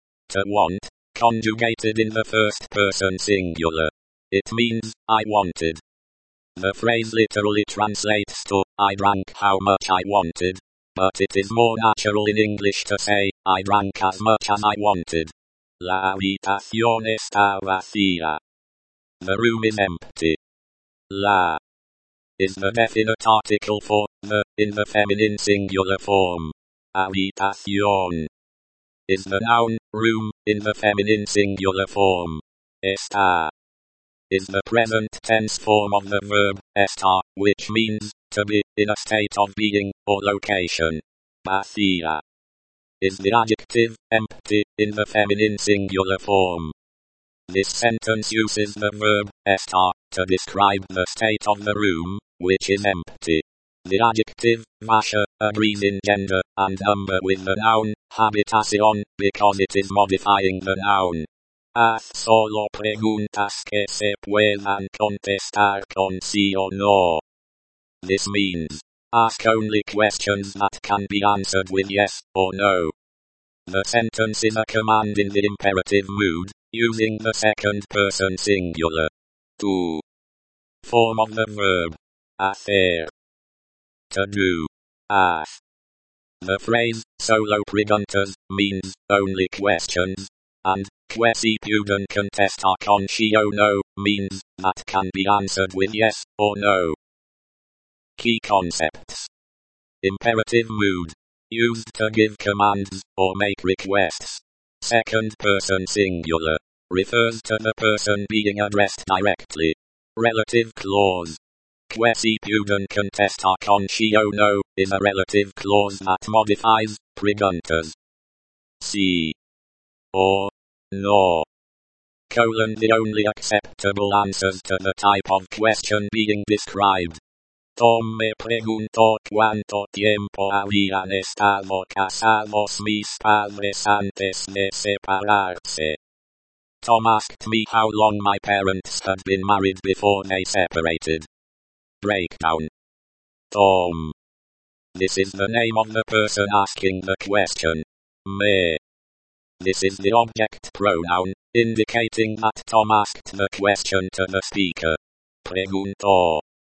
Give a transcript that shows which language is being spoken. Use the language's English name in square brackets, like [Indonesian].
[English] To want, conjugated in the first person singular. It means, I wanted. The phrase literally translates to, I drank how much I wanted, but it is more natural in English to say, I drank as much as I wanted. [Spanish] La habitación está vacía. [English] The room is empty. La. Is the definite article for, the, in the feminine singular form. Habitación. Is the noun, room, in the feminine singular form. Está. Is the present tense form of the verb, estar, which means, to be, in a state of being, or location. Vacía. Is the adjective, empty, in the feminine singular form. This sentence uses the verb, estar, to describe the state of the room, which is empty. The adjective, vacía, agrees in gender and number with the noun, habitación, because it is modifying the noun. [Spanish] Haz solo preguntas que se puedan contestar con sí o no. [English] This means, ask only questions that can be answered with yes or no. The sentence is a command in the imperative mood, using the second person singular. Tú. Form of the verb. Hacer. To do. Haz. The phrase, [Spanish] solo preguntas, [English] means, only questions, and, [Spanish] que si pueden contestar con sí o no, [English] means, that can be answered with yes, or no. Key concepts. Imperative mood. Used to give commands, or make requests. Second person singular. Refers to the person being addressed directly. Relative clause. [Spanish] Que si pueden contestar con sí o no, [English] is a relative clause that modifies, preguntas. Sí. Or. No. Colon the only acceptable answers to the type of question being described. [Spanish] Tom me preguntó cuánto tiempo habían estado casados mis padres antes de separarse. [English] Tom asked me how long my parents had been married before they separated. Breakdown. Tom. This is the name of the person asking the question. Me. This is the object pronoun, indicating that Tom asked the question to the speaker. Preguntó.